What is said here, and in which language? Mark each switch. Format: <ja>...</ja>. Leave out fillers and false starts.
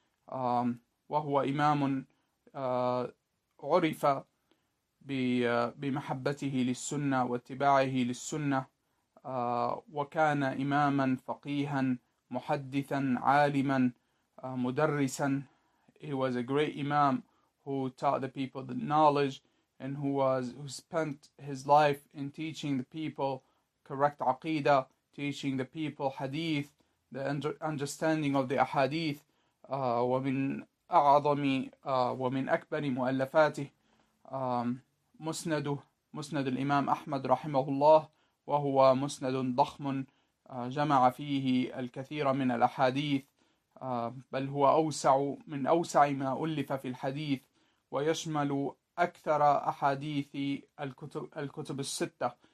<ar>وهو إمام عرف بمحبته للسنة واتباعه للسنة، وكان إماما فقيها محدثا عالما مدرسا.</ar> <en>He was a great imam who taught the people the knowledge, and who spent his life in teaching the people correct aqidah, teaching the people hadith, the understanding of the ahadith.</en> <ar>ومن أعظم ومن أكبر مؤلفاته مسند الإمام أحمد رحمه الله، وهو مسند ضخم جمع فيه الكثير من الأحاديث، بل هو أوسع ما ألف في الحديث، ويشمل أكثر أحاديث الكتب الستة.</ar>